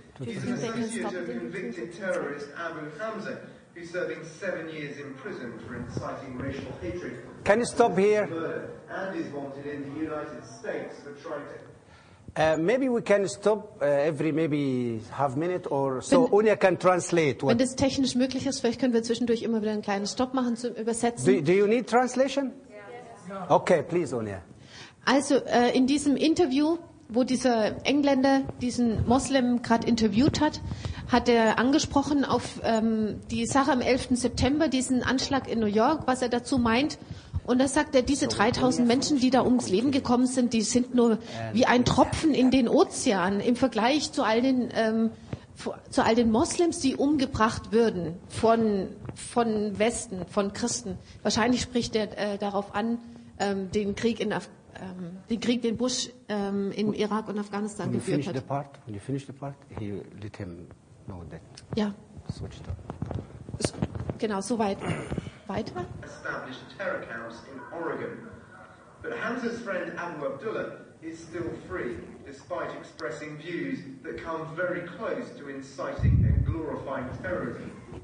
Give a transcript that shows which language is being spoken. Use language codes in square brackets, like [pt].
[en] He's an associate of convicted terrorist Abu Hamza, who's serving 7 years in prison for inciting racial hatred. Can you stop here? And is wanted in the United States for trying to. Maybe we can stop every maybe half minute or so. Unia can translate. [de] Wenn das technisch möglich ist, vielleicht können wir zwischendurch immer wieder einen kleinen Stopp machen zum Übersetzen. [en] Do you need translation? Yeah. Okay, please, Unia. [de] Also in diesem Interview, wo dieser Engländer diesen Moslem gerade interviewt hat, hat er angesprochen auf die Sache am 11. September, diesen Anschlag in New York, was er dazu meint. Und da sagt er, diese 3000 Menschen, die da ums Leben gekommen sind, die sind nur wie ein Tropfen in den Ozean im Vergleich zu all den Moslems, die umgebracht würden von Westen, von Christen. Wahrscheinlich spricht er darauf an, den Krieg, den Bush in Irak und Afghanistan geführt hat. [en] When you finish the part, he let him know that. [de] Ja. [en] Switch it up. [de] Genau, so weit. [en] Established terror camps in Oregon. But Hamza's friend Abu Abdullah is still free, despite expressing views that come very close to inciting and glorifying terrorism.